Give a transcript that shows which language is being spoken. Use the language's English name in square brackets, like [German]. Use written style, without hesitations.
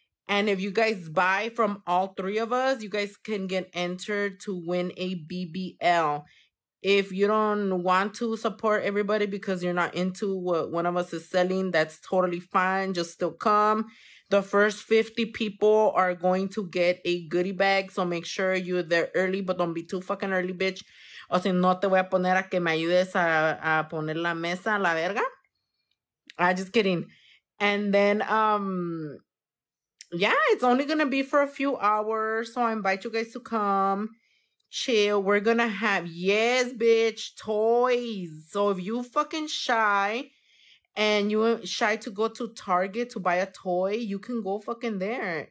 [English] And if you guys buy from all three of us, you guys can get entered to win a BBL. If you don't want to support everybody because you're not into what one of us is selling, that's totally fine. Just still come. The first 50 people are going to get a goodie bag. So make sure you're there early, but don't be too fucking early, bitch. [Spanish] O si no te voy a poner a que me ayudes a poner la mesa a la verga. [English] I'm just kidding. And then, yeah, it's only going to be for a few hours. So I invite you guys to come. Chill. We're going to have, yes, bitch, toys. So if you fucking shy and you shy to go to Target to buy a toy, you can go fucking there.